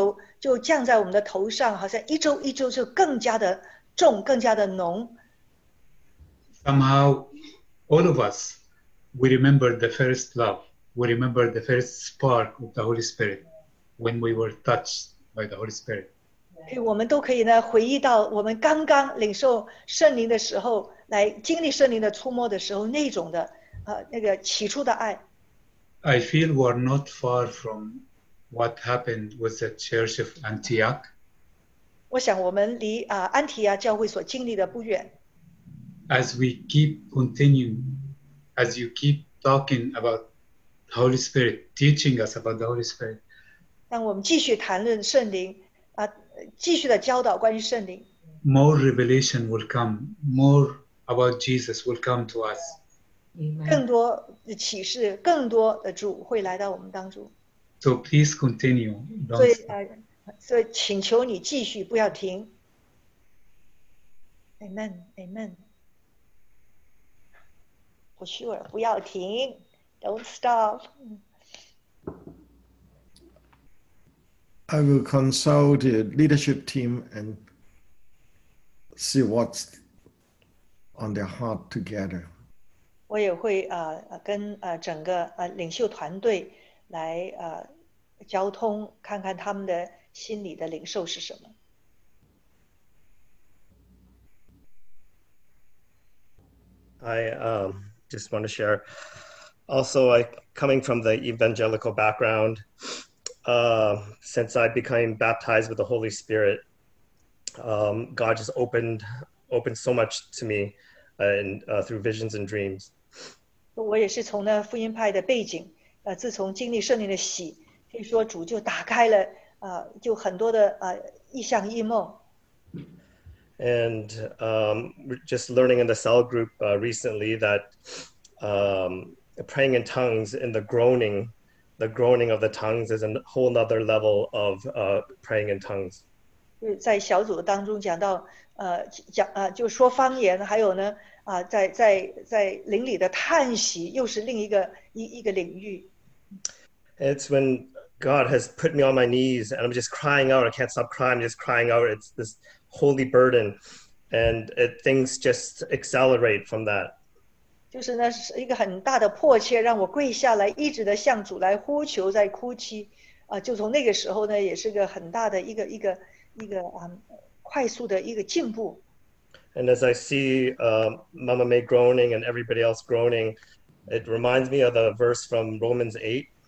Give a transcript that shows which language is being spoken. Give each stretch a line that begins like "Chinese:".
Chinese: 宝贵的这个膏油就降在我们的头上, 好像一周一周就更加的重, 更加的浓。
English: Somehow, all of us, we remember the first love, we remember the first spark of the Holy Spirit when we were touched by the Holy Spirit.
Chinese: 我们都可以呢, 回忆到我们刚刚领受圣灵的时候, 来经历圣灵的触摸的时候, 那种的, 那个起初的爱。
English: I feel we're not far from what happened with the Church of Antioch.
Chinese: 我想我们离, 安提亚教会所经历的不远。
English: As we keep continuing, as you keep talking about the Holy Spirit, teaching us about the Holy Spirit.
Chinese: 当我们继续谈论圣灵, 继续地教导关于圣灵,
English: more revelation will come, more about Jesus will come to us.
Chinese: 更多的启示, 更多的主会来到我们当中。
English: So please continue.
Chinese: 所以请求你继续, 不要停。
English: Amen, amen. For sure,
Chinese: 不要停,
English: don't stop. I will consult the leadership team and see what's on their heart together.
Chinese: 我也会, 跟, 整个, 领袖团队, 来, 交通, 看看他们的心理的领受是什么。
English: I just want to share. Also, I coming from the evangelical background, since I became baptized with the Holy Spirit, God just opened so much to me, and through visions and dreams.
Chinese: 我也是从那福音派的背景, 自从经历圣灵的洗, 可以说主就打开了, 就很多的, 意象意梦。
English: And just learning in the cell group recently that praying in tongues and the groaning of the tongues is a whole other level of praying in tongues.
Chinese: 在小组当中讲到, 就说方言, 还有呢, 在灵里的叹息, 又是另一个, 一个领域。
English: It's when God has put me on my knees and I'm just crying out. I can't stop crying. I'm just crying out. It's this holy burden. And things just accelerate from that.
Chinese: 就是那是一个很大的迫切, 让我跪下来, 一直地向主来呼求, 在哭泣, 就从那个时候呢, 也是个很大的一个, 一个, 快速的一个进步。
English: And as I see Mama May groaning and everybody else groaning, it reminds me of the verse from Romans 8.